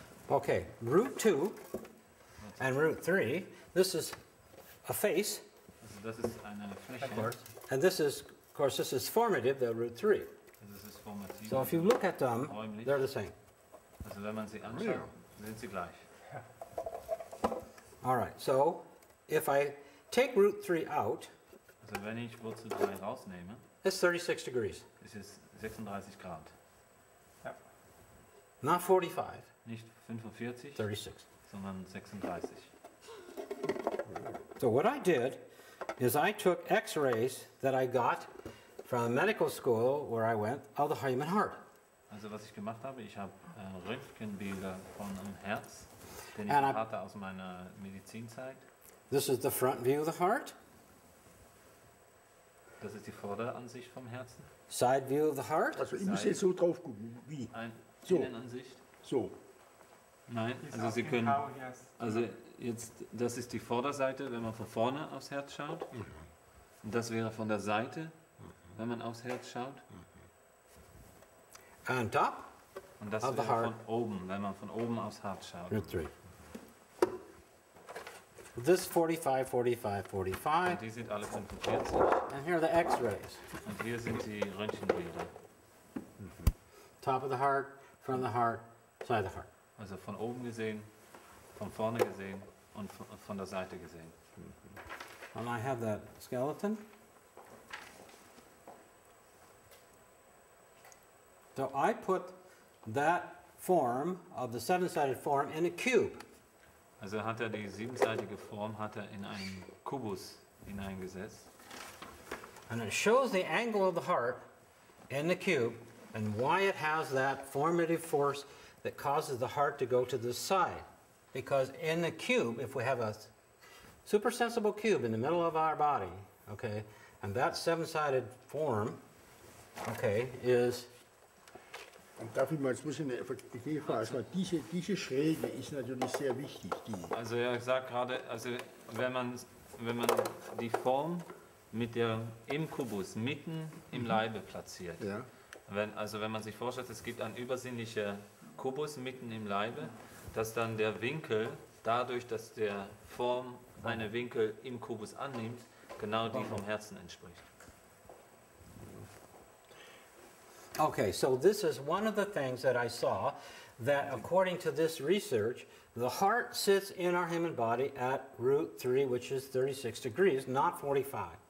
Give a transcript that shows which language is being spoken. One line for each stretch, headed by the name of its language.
English: Okay, root 2 and root 3, this is a face. This is a Fläche. Of course. And this is, of course, this is formative, the root 3. This is formative. So if you look at them, they're the same.
German: Also, wenn man sie anschaut, sind sie gleich.
English: All right, so if I take root 3 out,
German: also wenn ich Wurzel 3 rausnehme,
English: it's 36 degrees.
German: Es ist 36 Grad.
English: Yep. Not 45.
German: Nicht 45,
English: 36.
German: Sondern 36.
English: So what I did is I took x-rays that I got from the medical school where I went of the human heart.
German: Also was ich gemacht habe, ich habe Röntgenbilder von einem Herz, den ich hatte aus meiner Medizinzeit.
English: This is the front view of the heart.
German: Das ist die Vorderansicht vom Herzen.
English: Side view of the heart.
German: Also ich muss jetzt so drauf gucken, wie? So. Innenansicht. So. Nein, also Sie können, also jetzt, das ist die Vorderseite, wenn man von vorne aufs Herz schaut. Und das wäre von der Seite, wenn man aufs Herz schaut.
English: On top
German: und das
English: of the heart.
German: Von oben, wenn man von oben aufs Herz schaut.
English: Root 3. This 45, 45, 45.
German: Und die sind alle 45.
English: And here are the x-rays.
German: Und hier sind die Röntgenbilder. Mm-hmm.
English: Top of the heart, front of the heart, side of the heart.
German: Also von oben gesehen, von vorne gesehen und von der Seite gesehen.
English: And I have that skeleton. So I put that form of the seven-sided form in a cube.
German: Also hat die siebenseitige Form hat in einen Kubus hineingesetzt.
English: And it shows the angle of the heart in the cube and why it has that formative force that causes the heart to go to the side. Because in the cube, if we have a supersensible cube in the middle of our body, okay, and that seven-sided form, okay, is...
German: Darf ich mal, jetzt muss ich eine Idee fragen, also, diese Schräge ist natürlich sehr wichtig. Die. Also er sagt gerade, also wenn man die Form mit der im Kubus mitten im Leibe platziert, ja. wenn man sich vorstellt, es gibt ein übersinnlicher Kubus mitten im Leibe, dass dann der Winkel, dadurch, dass der Form einen Winkel im Kubus annimmt, genau die vom Herzen entspricht.
English: Okay, so this is one of the things that I saw, that according to this research, the heart sits in our human body at root 3, which is 36 degrees, not 45.